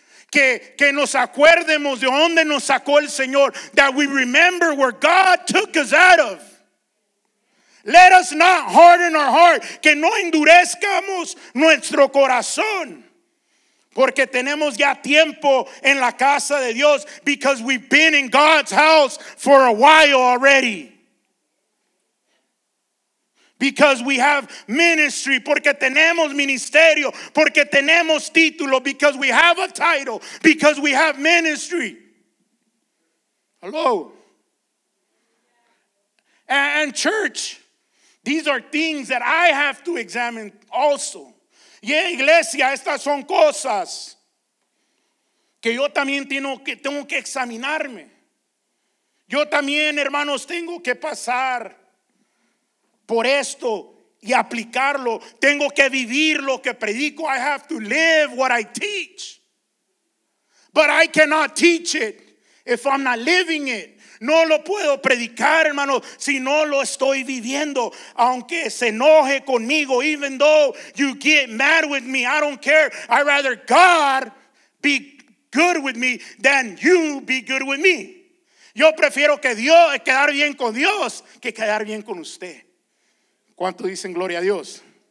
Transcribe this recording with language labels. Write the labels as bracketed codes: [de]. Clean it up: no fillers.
[es] Que nos acuerdemos de donde nos sacó el Señor. [en] That we remember where God took us out of. Let us not harden our heart. [es] Que no endurezcamos nuestro corazón. Porque tenemos ya tiempo en la casa de Dios. [en] Because we've been in God's house for a while already. Because we have ministry. [es] Porque tenemos ministerio. Porque tenemos título. [en] Because we have a title. Because we have ministry. Hello. And church, these are things that I have to examine also. [es] Yeah, iglesia, estas son cosas que yo también tengo que examinarme. Yo también, hermanos, tengo que pasar por esto y aplicarlo. Tengo que vivir lo que predico. [en] I have to live what I teach. But I cannot teach it if I'm not living it. [es] No lo puedo predicar, hermano, si no lo estoy viviendo. Aunque se enoje conmigo, [en] even though you get mad with me, I don't care. I'd rather God be good with me than you be good with me. [es] Yo prefiero que Dios, quedar bien con Dios, que quedar bien con usted. ¿Cuánto dicen gloria a Dios?